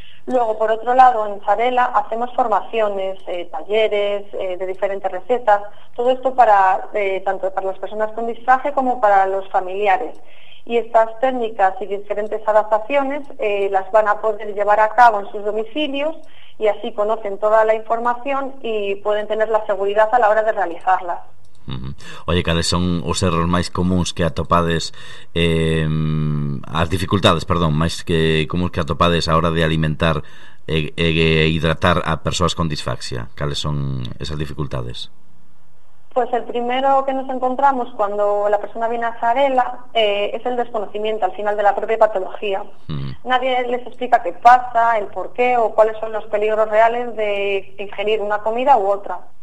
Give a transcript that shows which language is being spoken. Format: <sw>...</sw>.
<es>Luego, por otro lado, en Xarela hacemos formaciones, talleres de diferentes recetas, todo esto para tanto para las personas con disfagia como para los familiares. y estas técnicas y diferentes adaptaciones las van a poder llevar a cabo en sus domicilios, y así conocen toda la información y pueden tener la seguridad a la hora de realizarla.</es> <gl>Oye, ¿cales son os erros máis comuns que atopades as dificultades, perdón, máis que comuns que atopades a hora de alimentar e hidratar a persoas con disfaxia? ¿Cales son esas dificultades?</gl> <es>Pues el primero que nos encontramos cuando la persona viene a Xarela es el desconocimiento al final de la propia patología. Nadie les explica qué pasa, el porqué o cuáles son los peligros reales de ingerir una comida u otra.</es>